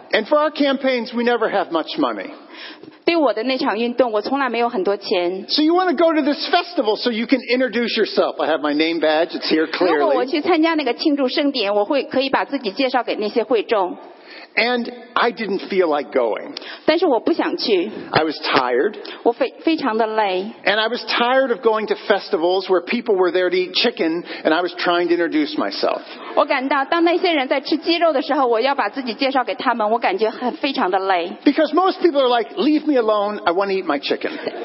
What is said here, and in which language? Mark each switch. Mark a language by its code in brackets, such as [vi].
[en] And for our campaigns, we never have much money. [zh] 对我的那场运动，我从来没有很多钱。 [en] So you want to go to this festival so you can introduce yourself. I have my name badge, it's here clearly. [zh] 如果我去参加那个庆祝盛典，我会可以把自己介绍给那些会众。 [en] And I didn't feel like going. [zh] 但是我不想去。 [en] I was tired. [zh] 我非常的累。 [en] And I was tired of going to festivals where people were there to eat chicken, and I was trying to introduce myself. [zh] 我感到当那些人在吃鸡肉的时候，我要把自己介绍给他们，我感觉很非常的累。 [en] Because most people are like, leave me alone, I want to eat my chicken.